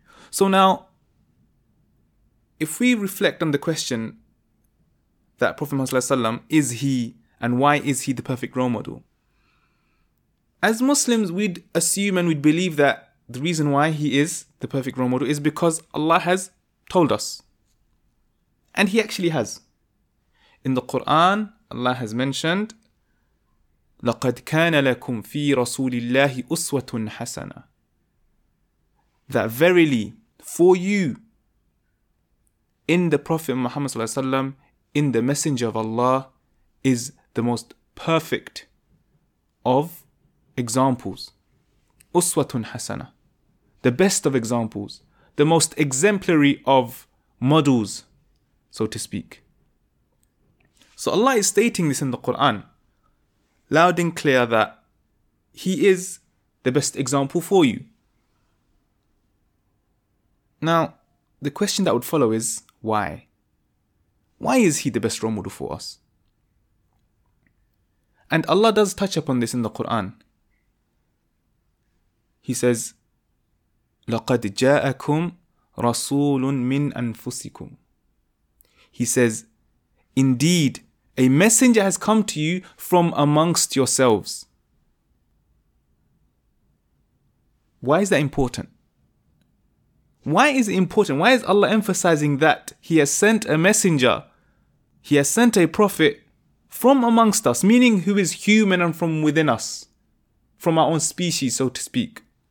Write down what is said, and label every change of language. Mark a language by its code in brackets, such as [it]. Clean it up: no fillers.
[en] So now, if we reflect on the question that Prophet Muhammad ﷺ, is he and why is he the perfect role model? As Muslims, we'd assume and we'd believe that the reason why he is the perfect role model is because Allah has told us. And he actually has. In the Quran, Allah has mentioned, [ar] لَقَدْ كَانَ لَكُمْ فِي رَسُولِ اللَّهِ أُسْوَةٌ حَسَنًا. [en] That verily, for you, in the Prophet Muhammad ﷺ, in the Messenger of Allah, is the most perfect of examples. [ar] Uswatun hasana. [en] The best of examples. The most exemplary of models. so to speak. So Allah is stating this in the Quran, loud and clear, that He is the best example for you. Now, the question that would follow is, why? Why is He the best role model for us? And Allah does touch upon this in the Quran. He says, [ar] لَقَدْ جَاءَكُمْ رَسُولٌ مِّنْ أَنفُسِكُمْ. [en] He says, indeed, a messenger has come to you from amongst yourselves. Why is that important? Why is it important? Why is Allah emphasizing that He has sent a messenger, He has sent a prophet from amongst us, meaning who is human and from within us, from our own species, so to speak?